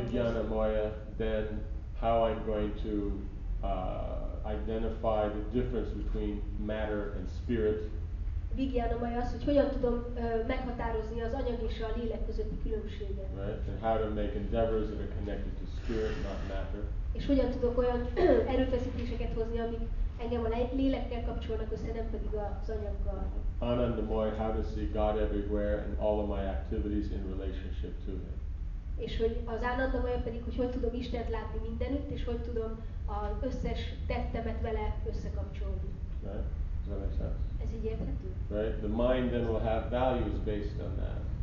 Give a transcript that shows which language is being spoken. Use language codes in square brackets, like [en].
[en] Vigyanamaya, then how I'm going to identify the difference between matter and spirit. [hu] Vigyanamaya az, hogy hogyan tudom meghatározni az anyag és a lélek közötti különbséget. [en] Right, and how to make endeavors that are connected to spirit, not matter. [hu] És hogyan tudok olyan erőfeszítéseket hozni, amik engem a lélekkel kapcsolnak össze, nem pedig az anyaggal. [en] Anandamoy, how to see God everywhere and all of my activities in relationship to Him. [hu] És hogy az anandamoya pedig, hogy tudom Istent látni mindenütt, és hogy tudom az összes tettemet vele összekapcsolni. [en] Right? Does that make sense? [hu] Ez így érthető? [en] Right? The mind then will have values based on that.